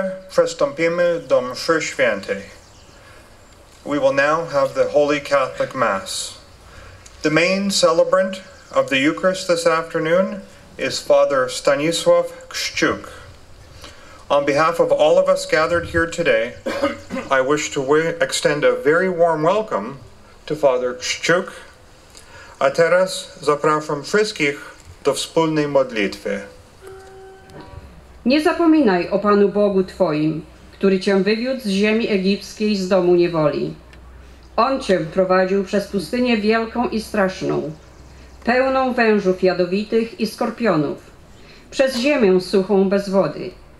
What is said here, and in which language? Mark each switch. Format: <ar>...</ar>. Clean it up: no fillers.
<pl>Przystąpimy do mszy świętej.</pl> <en>We will now have the Holy Catholic Mass. The main celebrant of the Eucharist this afternoon is Father Stanisław Kszczuk. On behalf of all of us gathered here today, I wish to extend a very warm welcome to Father Kszczuk.</en> <pl>A teraz zapraszam wszystkich do wspólnej modlitwy. Nie zapominaj o Panu Bogu Twoim, który Cię wywiódł z ziemi egipskiej, z domu niewoli. On Cię prowadził przez pustynię wielką i straszną, pełną wężów jadowitych i skorpionów, przez ziemię suchą bez wody.</pl>